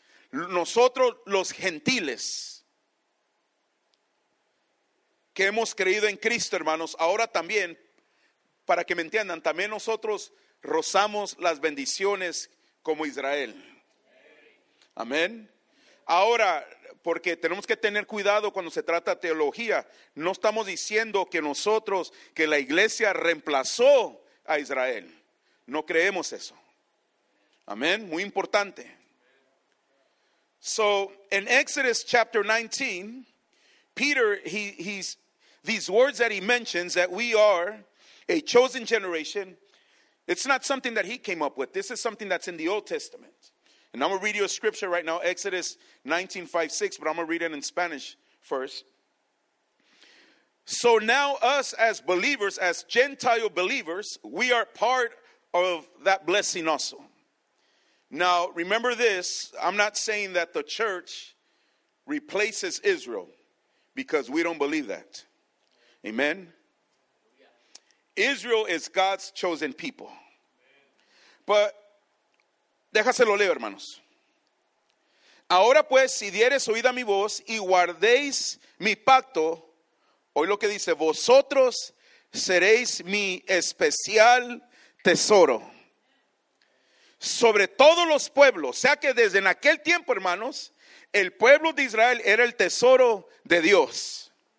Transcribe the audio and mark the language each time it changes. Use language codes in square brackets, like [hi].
[es] Nosotros, los gentiles, que hemos creído en Cristo, hermanos, ahora también, para que me entiendan, también nosotros rozamos las bendiciones como Israel. Amén. Ahora, porque tenemos que tener cuidado cuando se trata de teología, no estamos diciendo que nosotros, que la iglesia reemplazó a Israel. No creemos eso. Amén. Muy importante. [en] So, in Exodus chapter 19, Peter, these words that he mentions, that we are a chosen generation, it's not something that he came up with. This is something that's in the Old Testament. And I'm going to read you a scripture right now, Exodus 19:5-6, but I'm going to read it in Spanish first. So now us as believers, as Gentile believers, we are part of that blessing also. Now, remember this, I'm not saying that the church replaces Israel, because we don't believe that. Amen? Israel is God's chosen people. [es] But, déjaselo leo, hermanos. Ahora pues, si dieres oída mi voz y guardéis mi pacto, hoy lo que dice, vosotros seréis mi especial tesoro. Sobre todos los pueblos, o sea que desde en aquel tiempo, hermanos, el pueblo de Israel era el tesoro de Dios.